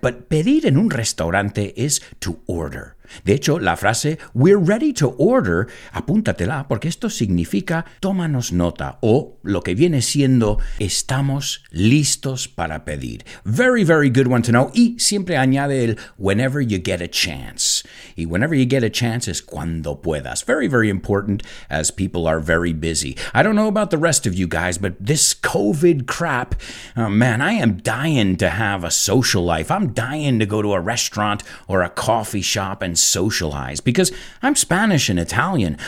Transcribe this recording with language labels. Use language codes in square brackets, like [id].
[en] But [es] pedir en un restaurante [en] is to order. [es] De hecho, la frase, [en] we're ready to order, [es] apúntatela, porque esto significa tómanos nota, o lo que viene siendo, estamos listos para pedir. [en] Very, very good one to know. [es] Y siempre añade el, [en] whenever you get a chance. Y whenever you get a chance [es] es cuando puedas. [en] Very, very important, as people are very busy. I don't know about the rest of you guys, but this COVID crap, man, I am dying to have a social life. I'm dying to go to a restaurant or a coffee shop and socialize, because I'm Spanish and Italian.